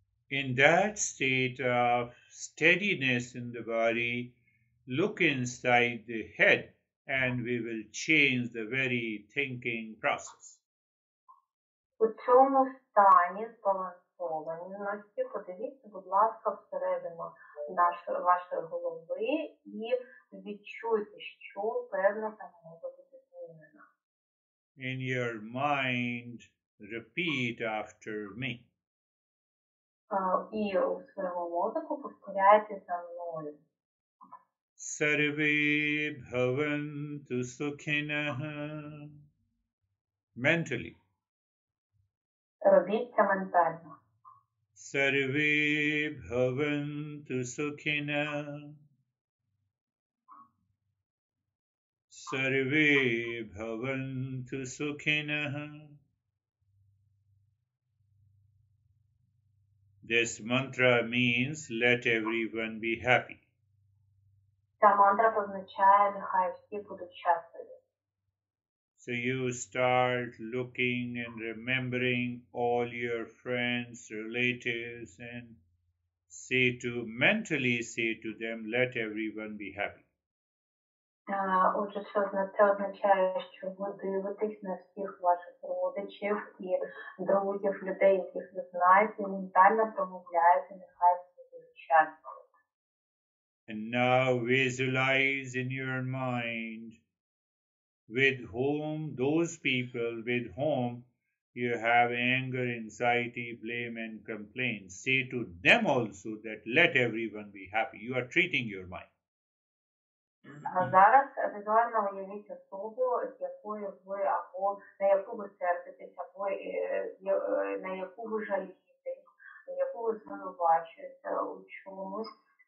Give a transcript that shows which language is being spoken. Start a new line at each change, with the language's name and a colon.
English: In that state of steadiness in the body, look inside the head and we will change the very thinking process.
Ukrainian: У цьому стані збалансованості подивіться, будь ласка, всередину вашої голови і відчуйте, що певно там може бути змінено.
English: In your mind, repeat after me.
Ukrainian: І у своєму мозку повторяйте за мною.
Sanskrit: Sarve bhavantu sukhinah.
English: Mentally.
Ukrainian: Робіть це ментально.
Sanskrit: Sarve bhavantu sukhina. Sarve bhavantu sukhina.
English: This mantra means let everyone be happy.
Ukrainian: Та мантра означає нехай всі будуть щасливі.
English: So you start looking and remembering all your friends, relatives, and mentally say to them, let everyone be happy.
Ukrainian: Отже, це означає, що ви дивитесь на всіх ваших родичів і друзів, людей, яких ви знаєте, і ментально промовляєте, нехай всі будуть щасливі.
English: And now visualize in your mind with whom those people with whom you have anger, anxiety, blame and complaint. Say to them also that let everyone be happy. You are treating your mind.
Ukrainian: Зараз візуально уявіть особу, з якою ви або на яку ви сердитесь, або на яку ви жалієте, на яку ви звинувачуєте у чомусь.